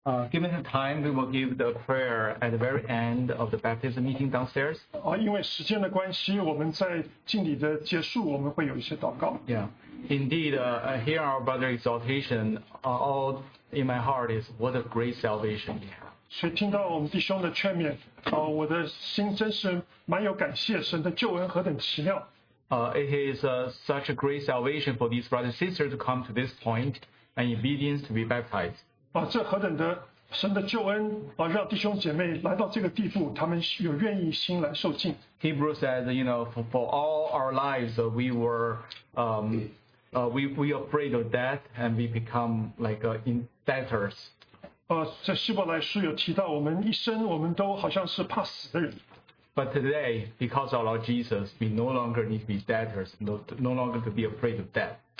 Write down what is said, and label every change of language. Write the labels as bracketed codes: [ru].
[en] Given the time, we will give the prayer at the very end of the baptism meeting downstairs. [zh] 因为时间的关系，我们在敬礼的结束，我们会有一些祷告。 [en] Yeah, indeed, hear our brother exaltation. All in my heart is what a great salvation we have. [zh] 所以听到我们弟兄的劝勉，我的心真是蛮有感谢，神的救恩何等奇妙。 [en] It is such a great salvation for these brothers and sisters to come to this point and obedience to be baptized. [zh] 这何等的神的救恩让弟兄姐妹来到这个地步，他们有愿意心来受浸。 [en] Hebrew says, you know, for all our lives we were we afraid of death and we become like debtors. [zh] 这希伯来书有提到我们一生我们都好像是怕死的人。 [en] But today, because of our Lord Jesus, we no longer need to be debtors, no longer to be afraid of death.